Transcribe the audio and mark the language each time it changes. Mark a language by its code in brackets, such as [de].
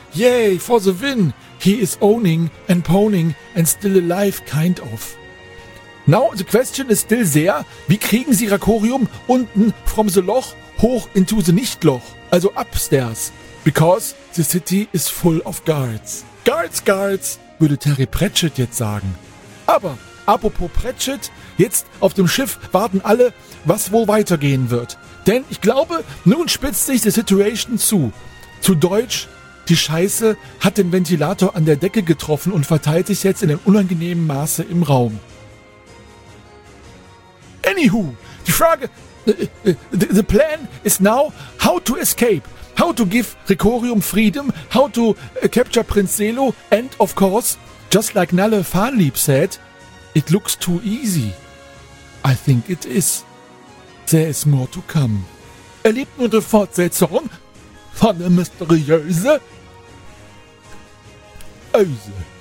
[en] Yay, for the win, he is owning and pwning and still alive, kind of. Now the question is still there, [de] wie kriegen sie Dracorium unten [en] from the Loch hoch into the Nichtloch, also upstairs, because the city is full of guards. Guards, guards, [de] würde Terry Pratchett jetzt sagen. Aber, apropos Pratchett, jetzt auf dem Schiff warten alle, was wohl weitergehen wird. Denn ich glaube, nun spitzt sich die Situation zu. Zu Deutsch, die Scheiße hat den Ventilator an der Decke getroffen und verteilt sich jetzt in einem unangenehmen Maße im Raum. [en] Anywho, [de] die Frage, [en] the plan is now how to escape, how to give Dracorium freedom, how to capture Prinz Selo and of course, just like Nalle Fahnlieb said, it looks too easy. I think it is. There is more to come. [de] Erlebt nun die Fortsetzung von der mysteriöse Öse.